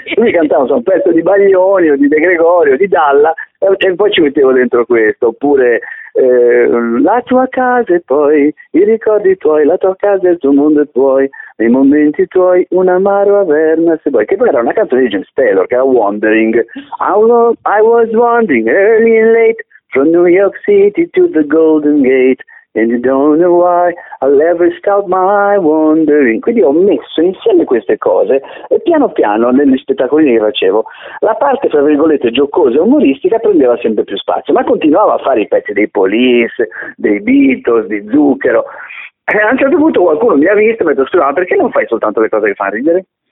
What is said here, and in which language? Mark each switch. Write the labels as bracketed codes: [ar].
[it] Lui cantava un pezzo di Baglioni o di De Gregori o di Dalla, e poi ci mettevo dentro questo, oppure la tua casa e poi i ricordi tuoi, la tua casa e il tuo mondo e tuoi. Nei momenti tuoi un'amaro Averna, se vuoi, che poi era una canzone di James Taylor, che era Wandering. [en] I was wandering early and late from New York City to the Golden Gate. And you don't know why I'll ever stop my wandering. [it] Quindi ho messo insieme queste cose e piano piano negli spettacolini che facevo la parte, tra virgolette, giocosa e umoristica prendeva sempre più spazio, ma continuavo a fare i pezzi dei Police, dei Beatles, di Zucchero. E a un certo punto qualcuno mi ha visto e mi ha detto: scusa, ma perché non fai soltanto le cose che fanno ridere?